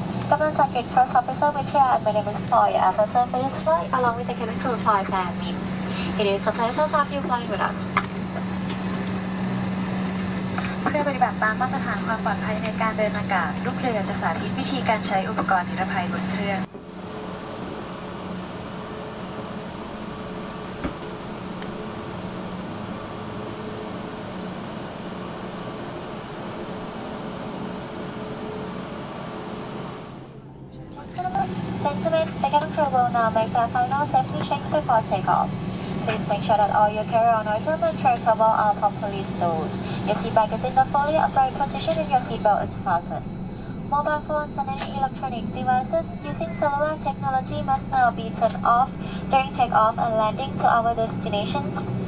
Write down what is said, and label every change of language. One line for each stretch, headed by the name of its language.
English: Government Secret First Officer with Chair and my name is Paul Anderson for this flight along with the cabin crew Paul and me. It is a pleasure to have you flying with us.
Thai: เพื่อปฏิบัติตามมาตรฐานความปลอดภัยในการเดินอากาศลูกเรือจะสาธิตวิธีการใช้อุปกรณ์นิรภัยบนเครื่อง
English: Gentlemen, the cabin crew will now make their final safety checks before takeoff. Please make sure that all your carry-on items and tray table are properly stowed. Your seat bag is in the fully upright position and your seat belt is fastened. Mobile phones and any electronic devices using cellular technology must now be turned off during takeoff and landing to our destinations.